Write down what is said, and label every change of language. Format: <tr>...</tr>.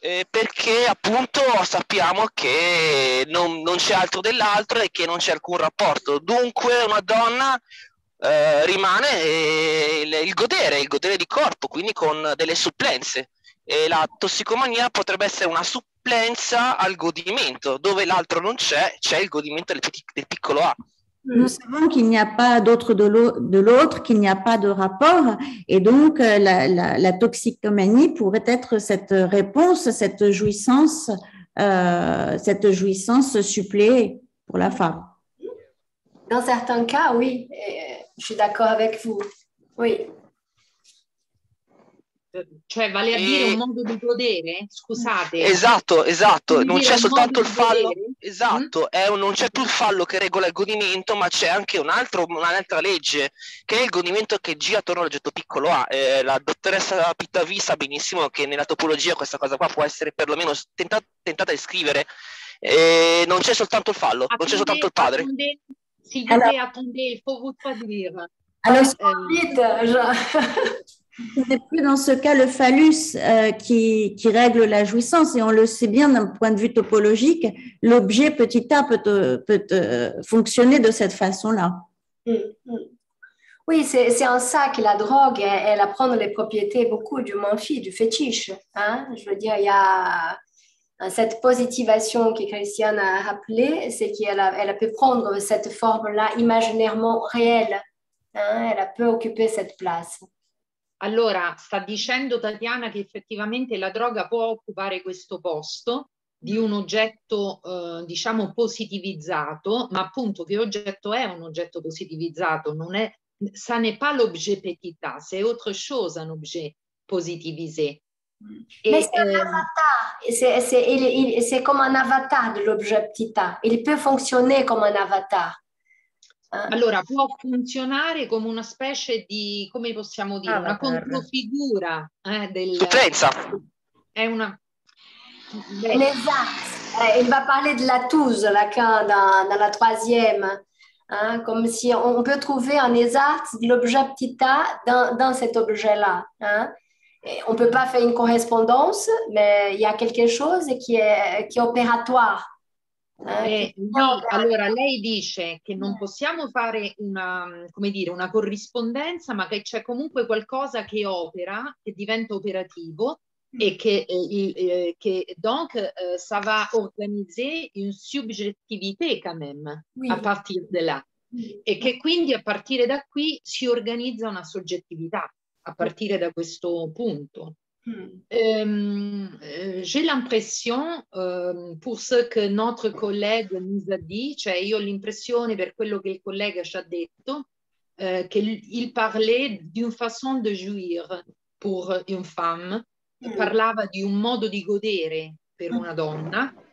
<it>Perché appunto sappiamo che non c'è altro dell'altro e che non c'è alcun rapporto. Dunque una donna rimane il godere di corpo, quindi con delle supplenze. E la tossicomania potrebbe essere una supplenza al godimento. Dove l'altro non c'è, c'è il godimento del piccolo A.</it> <fr>Nous savons qu'il n'y a pas d'autre de l'autre, qu'il n'y a pas de rapport, et donc la toxicomanie pourrait être cette réponse, cette jouissance supplée. pour la femme. Dans certains cas, oui, je suis d'accord avec vous. Oui.</fr> <it>Cioè, vale a dire un modo di godere, scusate. Esatto, esatto, non c'è soltanto il fallo, esatto, non c'è più il fallo che regola il godimento, ma c'è anche un altro, un'altra legge, che è il godimento che gira attorno all'oggetto piccolo A. La dottoressa Pittavi sa benissimo che nella topologia questa cosa qua può essere perlomeno tentata di scrivere. Non c'è soltanto il fallo, non c'è soltanto il padre. Si vede a tondere, il povero padre. Allora, scusate, già...</it> <fr>Ce n'est plus dans ce cas le phallus qui règle la jouissance, et on le sait bien d'un point de vue topologique, l'objet petit a peut fonctionner de cette façon-là. Oui, c'est en ça que la drogue, elle apprend les propriétés beaucoup du manfi, du fétiche. Hein? Je veux dire, il y a cette positivation que Christiane a rappelée, c'est qu'elle peut prendre cette forme-là imaginairement réelle, hein? Elle peut occuper cette place.</fr> <it>Allora, sta dicendo Tatiana che effettivamente la droga può occupare questo posto di un oggetto, diciamo, positivizzato, ma appunto che oggetto è un oggetto positivizzato? Non è,</it> <fr>ça n'est pas l'objet petit A, c'est autre chose un objet positivisé. C'est comme un avatar de l'objet petit A, il peut fonctionner comme un avatar.</fr> <it>Allora, può funzionare come una specie di, come possiamo dire, una controfigura del... Supplenza! È una... Esatto,</it> <fr>il va</fr> <it>a parlare della Toulouse, Lacan, dalla troisième, hein? Come se</it> <fr>on peut trouver un esatto de l'objet petit A dans cet objet-là. Hein? On peut pas faire une correspondance, mais il y a quelque chose qui est opératoire.</fr> <it>No, allora lei dice che non possiamo fare una, come dire, una corrispondenza, ma che c'è comunque qualcosa che opera, che diventa operativo e che</it> <fr>donc ça va organiser une subjectivité quand même, oui. A partir de là.</fr> <it>E che quindi a partire da qui si organizza una soggettività, a partire da questo punto.</it> <fr>J'ai l'impression, pour ce que notre collègue nous a dit,</fr> <it>cioè io ho l'impressione per quello che il collega ci ha detto, che</it> <fr>il parlait d'une façon de jouir pour une femme,</fr> <it>parlava di un modo di godere per una donna,</it>